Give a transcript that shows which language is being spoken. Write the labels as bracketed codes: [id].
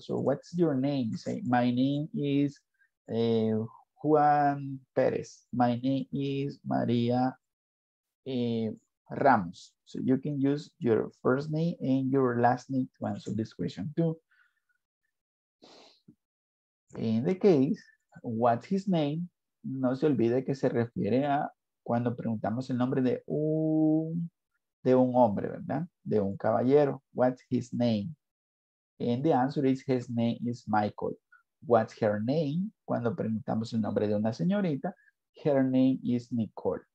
[en] So, what's your name? Say, my name is Juan Pérez. My name is María Ramos. So, you can use your first name and your last name to answer this question too. In the case, what's his name? [es] No se olvide que se refiere a cuando preguntamos el nombre de un hombre, ¿verdad? De un caballero. [en] What's his name? And the answer is his name is Michael. What's her name? [es] Cuando preguntamos el nombre de una señorita, [en] her name is Nicole.